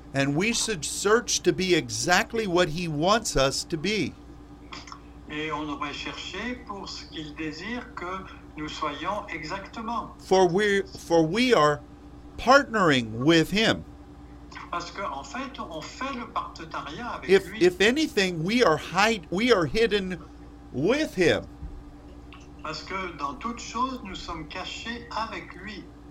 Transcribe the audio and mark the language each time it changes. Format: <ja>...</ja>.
<en>And we should search to be exactly what he wants us to be.</en> <fr>Et on devrait chercher pour ce qu'il désire que nous soyons exactement.</fr> <en>For we are partnering with him.</en> <fr>Parce que en fait, on fait le partenariat avec</fr> <en>if,</en> <fr>lui.</fr> <en>If anything, we are hidden with him.</en> <fr>Parce que dans toute chose, nous sommes cachés avec lui.</fr>